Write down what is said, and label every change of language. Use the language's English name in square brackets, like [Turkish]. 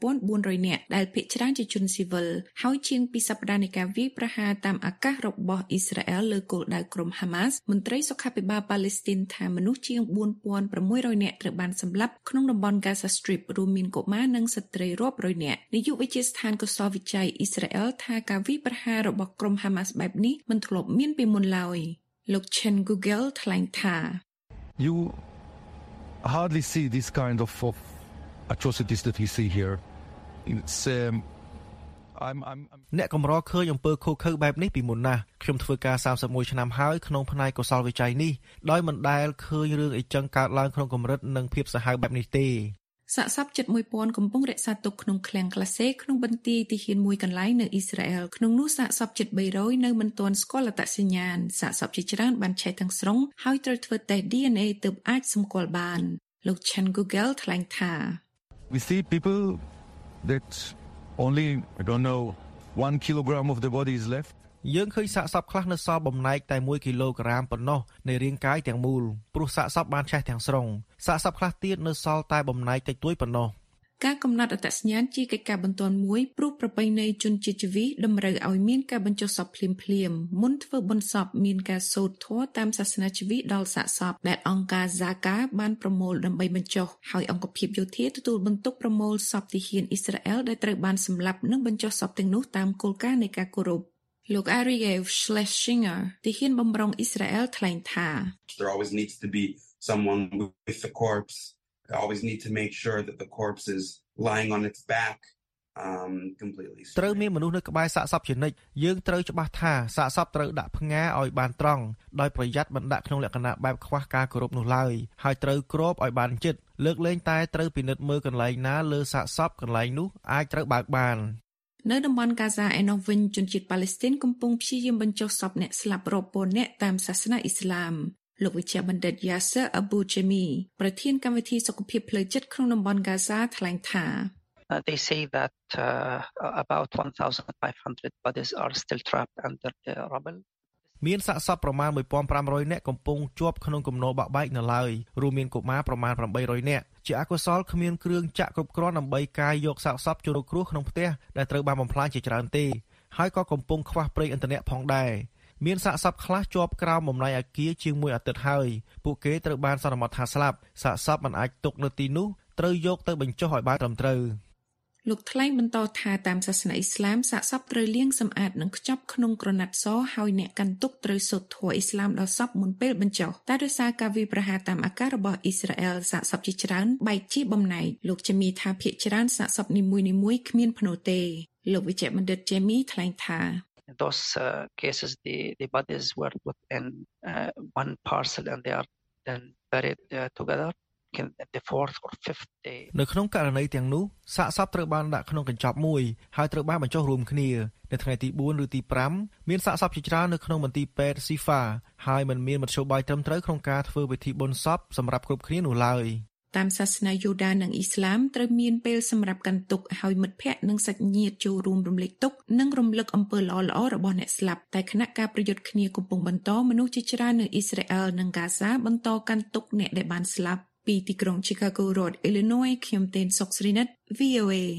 [Khmer] 1400នាក់ដែលភាគច្រើនជាជនស៊ីវិលហើយជាង2សប្តាហ៍នៃការវាយប្រហារតាមអាកាសរបស់អ៊ីស្រាអែលលើគោលដៅក្រុម Hamas មន្ត្រីសុខាភិបាលប៉ាឡេស្ទីនថាមនុស្សជាង4600នាក់ត្រូវបានសម្លាប់ក្នុងតំបន់ Gaza Strip រួមមានកុមារនិងស្ត្រីរាប់រយនាក់នាយកវិទ្យាស្ថានកសោវិចិត្រអ៊ីស្រាអែលថាការវាយប្រហាររបស់ក្រុម Hamas បែបនេះមិនធ្លាប់មានពីមុនឡើយលោក Chen Google ថ្លែងថា [English] You hardly see this kind of atrocities that we see here it's I'm [Khmer] អ្នកកំរឃើញអំពើឃោឃៅបែបនេះពីមុនណាស់ខ្ញុំធ្វើការ31ឆ្នាំហើយក្នុងផ្នែកកសលវិจัยនេះដោយមិនដែលឃើញរឿងអីចឹងកើតឡើងក្នុងកម្រិតនិងភាពសាហាវបែបនេះទេ សាកសព71000កំពុងរក្សាទុកក្នុងឃ្លាំងក្លាសេក្នុងបន្ទាយទីហ៊ានមួយកន្លែងនៅអ៊ីស្រាអែលក្នុងនោះសាកសព7300នៅមិនទាន់ស្គាល់អត្តសញ្ញាណសាកសពជាច្រើនបានឆេះទាំងស្រុងហើយត្រូវធ្វើតេស្ត DNA ទើបអាចសម្គាល់បានលោក Chen Google ថ្លែងថា [English] We see people that only I don't know 1 kilogram of the body is left [Khmer] យើងឃើញសាកសពខ្លះនៅសល់បំណែកតែ1គីឡូក្រាមប៉ុណ្ណោះនៃរាងកាយទាំងមូលព្រោះសាកសពបានឆេះទាំងស្រុងសាកសពខ្លះទៀតនៅសល់តែបំណែកតិចតួចប៉ុណ្ណោះ ការកំណត់អត្តសញ្ញាណជាកិច្ចការបន្ទាន់មួយព្រោះប្រពៃណីជនជាតិជីវីតម្រូវឲ្យមានការបញ្ចុះសពភ្លាមៗមុនធ្វើបុណ្យសពមានការសូត្រធម៌តាមសាសនាជីវីដល់សាកសពដែលអង្គការ Zaka បានប្រមូលដើម្បីបញ្ចុះហើយអង្គភាពយោធាទទួលបន្ទុកប្រមូលសពទាហានអ៊ីស្រាអែលដែលត្រូវបានសម្លាប់និងបញ្ចុះសពទាំងនោះតាមគោលការណ៍នៃការគោរពលោក Ariel Schlesinger ទីហ៊ានបំរុងអ៊ីស្រាអែលថ្លែងថា [English] There always needs to be someone with the corpse. I always need to make sure that the corpse is lying on its back completely. [Khmer] ត្រូវមានមនុស្សនៅក្បែរសាកសពជានិច្ចយើងត្រូវច្បាស់ថាសាកសពត្រូវដាក់ផ្ងារឲ្យបានត្រង់ដោយប្រយ័ត្នមិនដាក់ក្នុងលក្ខណៈបែបខ្វះការគោរពនោះឡើយហើយត្រូវគ្របឲ្យបានជិតលើកលែងតែត្រូវពិនិត្យមើលកន្លែងណាលើសាកសពកន្លែងនោះអាចត្រូវបើកបាននៅតំបន់កាហ្សាឯណោះវិញជនជាតិប៉ាឡេស្ទីនកំពុងព្យាយាមបញ្ចុះសពអ្នកស្លាប់រាប់ពាន់អ្នកតាមសាសនាអ៊ីស្លាមលោកវិជាបណ្ឌិត Yasser Abu Jami ប្រធានគណៈវិធិសុខភាពផ្លូវចិត្តក្នុងតំបន់កាហ្សាថ្លែងថា [English] They say that about 1500 bodies are still trapped under the rubble [Khmer] មានសាកសពប្រមាណ 1500 អ្នកកំពុងជាប់ក្នុងគំនរបាក់បែកនៅឡើយរួមមានកុមារប្រមាណ 800 អ្នកជាអកុសលគ្មានគ្រឿងចាក់គ្រប់គ្រាន់ដើម្បីកាយយកសាកសពជួយរកគ្រោះក្នុងផ្ទះដែលត្រូវបានបំផ្លាញជាច្រើនទេហើយក៏កំពុងខ្វះប្រេងឥន្ធនៈផងដែរមានសាកសពខ្លះជាប់ក្រោមបំណៃអាគារជាង1អាទិត្យហើយពួកគេត្រូវបានសន្មតថាស្លាប់សាកសពមិនអាចទុកនៅទីនោះត្រូវយកទៅបញ្ចុះឲ្យបានត្រឹមត្រូវ លោកថ្លែងបន្តថាតាមសាសនាអ៊ីស្លាមសាកសពត្រូវលាងសម្អាតនិងខ្ចប់ក្នុងក្រណាត់សហើយអ្នកកាន់ទុកត្រូវសូត្រធម៌អ៊ីស្លាមដល់សពមុនពេលបញ្ចុះតែដោយសារការវាយប្រហារតាមអាការរបស់អ៊ីស្រាអែលសាកសពជាច្រើនបែកជាបំណែកលោកជេមីថាភាគច្រើនសាកសពនីមួយៗគ្មានផ្នូរទេលោកវិជ្ជបណ្ឌិតជេមីថ្លែងថា [English] Those cases, the bodies were put in one parcel and they are then buried together in the fourth or fifth day. [Khmer] នៅក្នុងករណីទាំងនោះសាកសពត្រូវបានដាក់ក្នុងកញ្ចប់មួយហើយត្រូវបានបញ្ចុះរួមគ្នានៅថ្ងៃទី4ឬទី5មានសាកសពជាច្រើននៅក្នុងមន្ទីរពេទ្យស៊ីហ្វាហើយមិនមានមធ្យោបាយត្រឹមត្រូវក្នុងការធ្វើពិធីបុណ្យសពសម្រាប់គ្រប់គ្នានោះឡើយ តាមសាសនាយូដានិងអ៊ីស្លាមត្រូវមានពេលសម្រាប់កាន់ទុក្ខហើយមិត្តភ័ក្តិនិងសាច់ញាតិចូលរួមរំលែកទុក្ខនិងរំលឹកអំពើល្អៗរបស់អ្នកស្លាប់តែខណៈការប្រយុទ្ធគ្នាកំពុងបន្តមនុស្សជាច្រើននៅអ៊ីស្រាអែលនិងកាហ្សាបន្តកាន់ទុក្ខអ្នកដែលបានស្លាប់ពីទីក្រុងឈីកាហ្គោរដ្ឋអ៊ីលីណូយខ្ញុំទីនសុកស្រីណិត VOA